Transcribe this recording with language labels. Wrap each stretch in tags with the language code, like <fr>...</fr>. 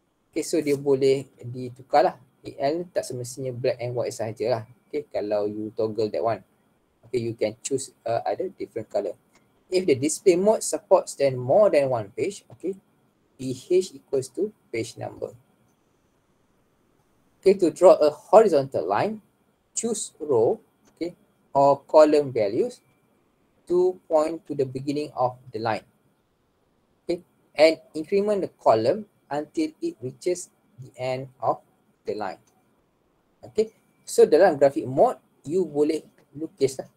<ms>Okay, so dia boleh ditukar lah. AL tak semestinya black and white sahajalah.</ms> <en>Okay,</en> <ms>kalau</ms> <en>you toggle that one, okay, you can choose other different color. If the display mode supports then more than one page, okay, PH equals to page number. Okay, to draw a horizontal line, choose row, okay, or column values to point to the beginning of the line. Okay, and increment the column until it reaches the end of the line. Okay, so</en> <ms>dalam</ms> <en>graphic mode, you</en> <ms>boleh lukis lah.</ms>